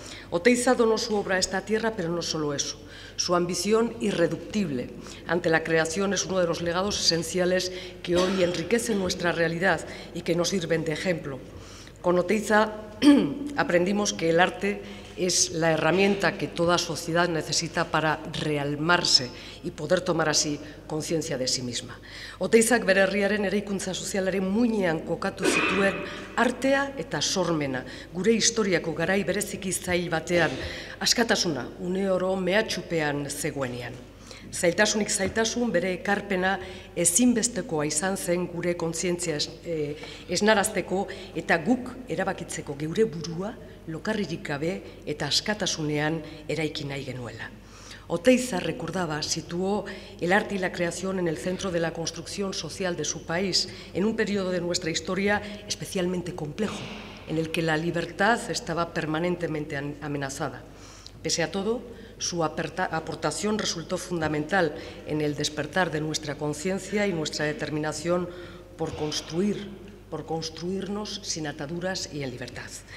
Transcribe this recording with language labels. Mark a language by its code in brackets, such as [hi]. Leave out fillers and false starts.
[es] Oteiza donó su obra a esta tierra, pero no solo eso. Su ambición irreductible ante la creación es uno de los legados esenciales que hoy enriquece nuestra realidad y que nos sirven de ejemplo. Con Oteiza aprendimos que el arte es la herramienta que toda sociedad necesita para realmarse y poder tomar así conciencia de sí misma. [eu] Oteizak bere herriaren eraikuntza sozialaren muinean kokatu zituen artea eta sormena, gure historiako garai bereziki zail batean, askatasuna, une oro mehatxupean zegoenean. Zailtasunik zailtasun bere ekarpena ezinbestekoa izan zen gure kontzientzia esnarazteko eta guk erabakitzeko geure burua lokarririk gabe eta askatasunean eraiki nahi genuela. [es] Oteiza, recordaba, situó el arte y la creación en el centro de la construcción social de su país en un periodo de nuestra historia especialmente complejo, en el que la libertad estaba permanentemente amenazada. Pese a todo, su aportación resultó fundamental en el despertar de nuestra conciencia y nuestra determinación por construir, por construirnos sin ataduras y en libertad.